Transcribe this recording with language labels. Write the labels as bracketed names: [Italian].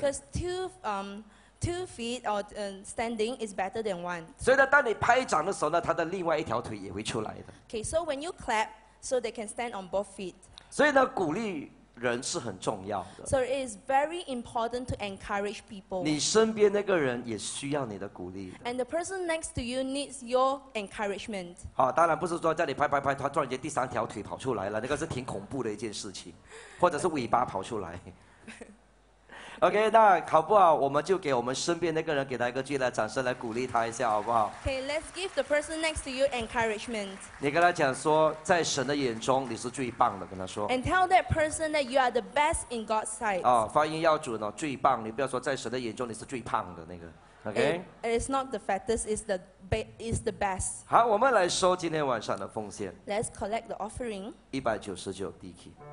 [English] ？Because two feet or standing is better than one. [Chinese] 所以呢，当你拍掌的时候呢，他的另外一条腿也会出来的。 [English] Okay, so when you clap, so they can stand on both feet. [Chinese] 所以呢，鼓励人是很重要的。 [English] So it is very important to encourage people. [Chinese] 你身边那个人也需要你的鼓励的。 [English] And the person next to you needs your encouragement. [Chinese] 好，当然不是说叫你拍拍拍，他突然间第三条腿跑出来了，那个是挺恐怖的一件事情，或者是尾巴跑出来。 OK， 那好不好？我们就给我们身边那个人给他一个巨大的掌声来鼓励他一下，好不好 [English] ？Okay, let's give the person next to you encouragement. [Chinese] 你跟他讲说，在神的眼中你是最棒的，跟他说。 [English] And tell that person that you are the best in God's sight. [Chinese] 哦，发音要准哦，最棒，你不要说在神的眼中你是最胖的那个。 OK。 [English] It's not the fattest, it's the best. [Chinese] 好，我们来收今天晚上的奉献。 [English] Let's collect the offering. 199 DK。